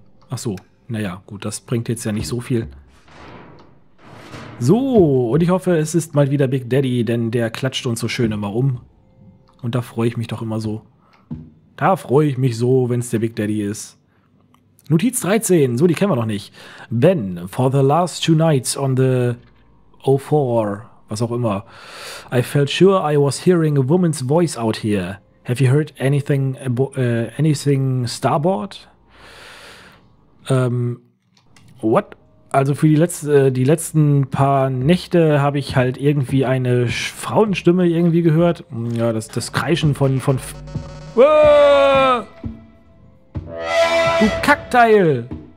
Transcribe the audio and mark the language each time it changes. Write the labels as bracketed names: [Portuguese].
[German] Ach so. Naja, gut, das bringt jetzt ja nicht so viel. So, und ich hoffe, es ist mal wieder Big Daddy, denn der klatscht uns so schön immer rum. Und da freue ich mich doch immer so. Da freue ich mich so, wenn es der Big Daddy ist. Notiz 13, so, die kennen wir noch nicht. [English] Ben, for the last two nights on the 04, [German] was auch immer. [English] I felt sure I was hearing a woman's voice out here. Have you heard anything starboard? What? [German] Also für die letzten paar Nächte habe ich halt irgendwie eine Frauenstimme irgendwie gehört. Ja, das Kreischen von Du Kackteil!